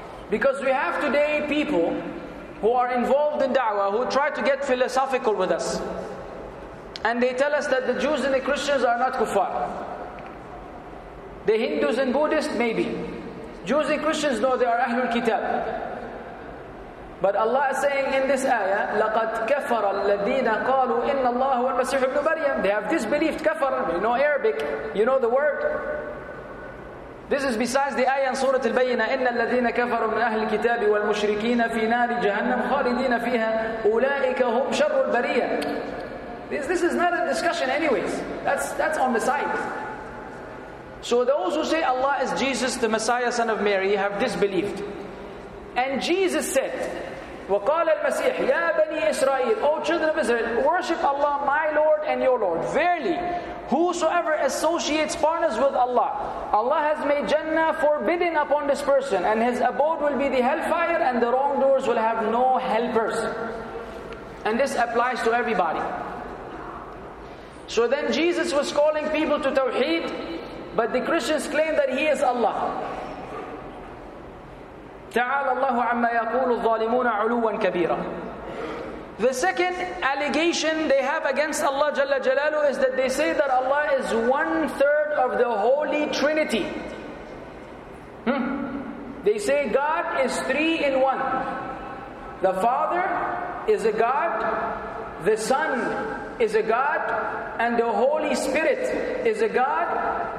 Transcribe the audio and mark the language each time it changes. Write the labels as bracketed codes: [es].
[en] Because we have today people who are involved in da'wah, who try to get philosophical with us. And they tell us that the Jews and the Christians are not kuffar. The Hindus and Buddhists, maybe. Jews and Christians know they are Ahlul Kitab. But Allah is saying in this ayah, [ar] لَقَدْ كَفَرَ الَّذِينَ قَالُوا إِنَّ اللَّهُ وَالْمَسِيحُ ابْنُ مَرْيَمَ. [en] They have disbelieved. Kafar, you know Arabic, you know the word. This is besides the ayah in Surah Al-Bayna, [ar] إِنَّ الَّذِينَ كَفَرُوا مِنْ أَهْلِ الْكِتَابِ وَالْمُشْرِكِينَ فِي نَارِ جَهَنَّمْ خَالِدِينَ فِيهَا أُولَٰئِكَ هُمْ شَرُّ الْبَرِيَةِ. [en] This is not a discussion anyways. That's on the side. So those who say Allah is Jesus, the Messiah, son of Mary, have disbelieved. And Jesus said, [ar] وَقَالَ الْمَسِيحِ يَا بَنِي إِسْرَائِيلِ, [en] O children of Israel, worship Allah, my Lord and your Lord. Verily, whosoever associates partners with Allah, Allah has made Jannah forbidden upon this person, and his abode will be the hellfire, and the wrongdoers will have no helpers. And this applies to everybody. So then Jesus was calling people to Tawheed, but the Christians claim that he is Allah. [ar] تَعَالَ اللَّهُ عَمَّا يَقُولُ الظَّالِمُونَ عُلُوًا كَبِيرًا. [en] The second allegation they have against Allah جل جلاله is that they say that Allah is one third of the Holy Trinity. They say God is three in one. The Father is a God, the Son is a God, and the Holy Spirit is a God.